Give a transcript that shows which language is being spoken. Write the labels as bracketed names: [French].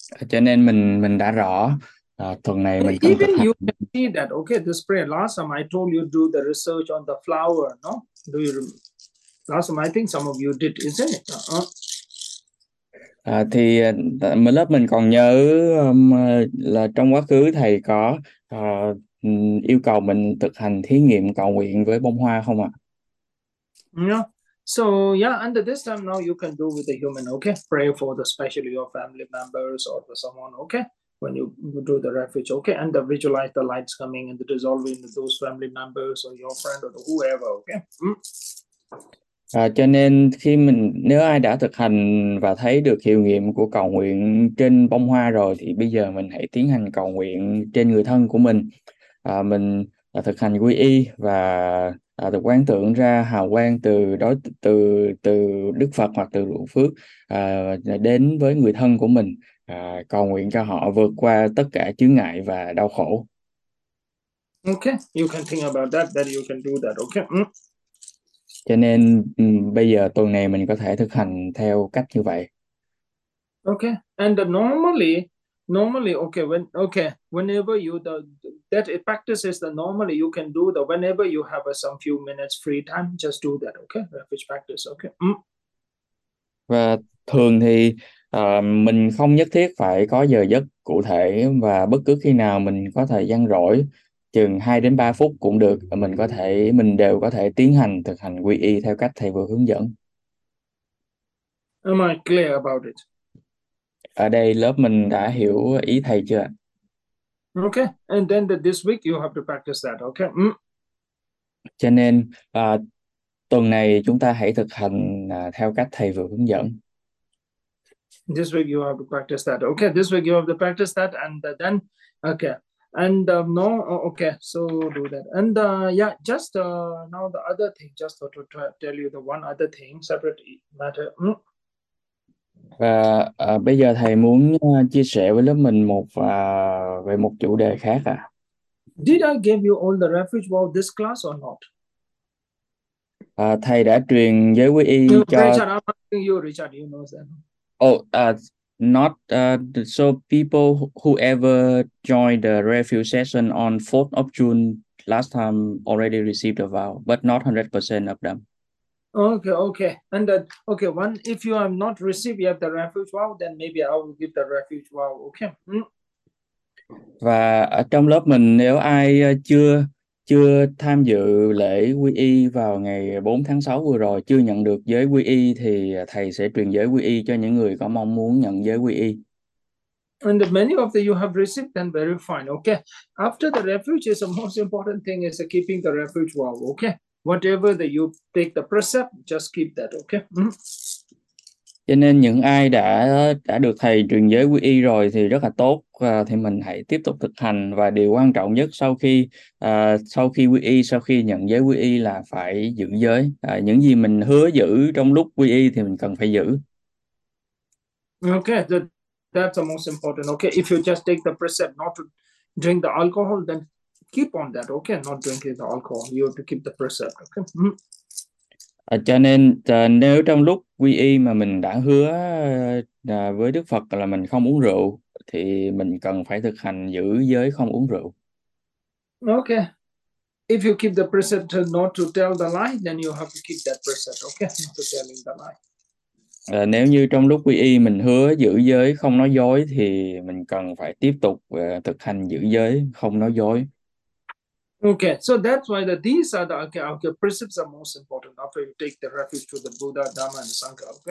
[Vietnamese] Cho nên mình đã rõ tuần này mình cần [English] Even [Vietnamese] thực hành. [English] you can see that. Okay, this prayer. Last time I told you do the research on the flower. No, do you remember? Last time I think some of you did, isn't it? [Vietnamese] Thì lớp mình còn nhớ là trong quá khứ thầy có yêu cầu mình thực hành thí nghiệm cầu nguyện với bông hoa không ạ? [English] Yeah. So yeah, and this time now you can do with the human, okay? Pray for the especially your family members or for someone, okay? When you do the refuge, okay, and the visualize the lights coming and the dissolving those family members or your friend or whoever, okay? [Vietnamese] Cho nên khi mình nếu ai đã thực hành và thấy được hiệu nghiệm của cầu nguyện trên bông hoa rồi thì bây giờ mình hãy tiến hành cầu nguyện trên người thân của mình. Mình thực hành quy y và được quán tưởng ra hào quang từ đó từ từ Đức Phật hoặc từ ruộng phước đến với người thân của mình, cầu nguyện cho họ vượt qua tất cả chướng ngại và đau khổ. [English] Okay, you can think about that, then you can do that. [Vietnamese] Cho nên bây giờ tuần này mình có thể thực hành theo cách như vậy. [English] Okay, and normally, okay, when okay, whenever you the that it practices the normally you can do the whenever you have some few minutes free time, just do that. Okay, which practice? Okay. [Vietnamese] Và thường thì mình không nhất thiết phải có giờ giấc cụ thể, và bất cứ khi nào mình có thời gian rỗi chừng 2 đến 3 phút cũng được, mình đều có thể tiến hành thực hành quy y theo cách thầy vừa hướng dẫn. [English] Am I clear about it? [Vietnamese] Ở đây lớp mình đã hiểu ý thầy chưa ạ? [English] Okay, and then this week you have to practice that. Okay. [Vietnamese] Cho nên tuần này chúng ta hãy thực hành theo cách thầy vừa hướng dẫn. [English] This week you have to practice that. Okay, this week you have to practice that, and then okay. And no, okay, so do that. And yeah, just now the other thing, just to try tell you the one other thing, separate matter. [Vietnamese] Và bây giờ thầy muốn chia sẻ với lớp mình một về một chủ đề khác ạ. [English] Did I give you all the refuge about this class or not? [Vietnamese] Thầy đã truyền giới quy y cho. [English] Richard, I'm asking you, Richard, you Not so people whoever joined the review session on 4th of June last time already received a vow, but not 100% of them. know them. Okay. And that, okay, one, if you have not received yet the refuge vow, then maybe I will give the refuge vow. Okay. [Vietnamese] Và ở trong lớp mình nếu ai chưa chưa tham dự lễ quy y vào ngày 4 tháng 6 vừa rồi, chưa nhận được giới quy y thì thầy sẽ truyền giới quy y cho những người có mong muốn nhận giới quy y. [English] And many of the you have received, then very fine. Okay. After the refuge is the most important thing is keeping the refuge vow. Okay. Whatever that you take the precept, just keep that. Okay. [Vietnamese] Cho nên những ai đã được thầy truyền giới quy y rồi thì rất là tốt, và thì mình hãy tiếp tục thực hành. Và điều quan trọng nhất sau khi quy y, sau khi nhận giới quy y là phải giữ giới. Những gì mình hứa giữ trong lúc quy y thì mình cần phải giữ. [English] Okay. That's the most important. Okay, if you just take the precept not to drink the alcohol, then keep on that. Okay, not drinking the alcohol. You have to keep the precept. Okay. [Vietnamese] Cho nên nếu trong lúc quy y mà mình đã hứa với Đức Phật là mình không uống rượu thì mình cần phải thực hành giữ giới không uống rượu. [English] Okay. If you keep the precept not to tell the lie, then you have to keep that precept. Okay, not to telling the lie. [Vietnamese] Nếu như trong lúc quy y mình hứa giữ giới không nói dối thì mình cần phải tiếp tục thực hành giữ giới không nói dối. [English] Okay, so that's why the these are the okay, precepts are most important after you take the refuge to the Buddha, Dhamma, and Sangha.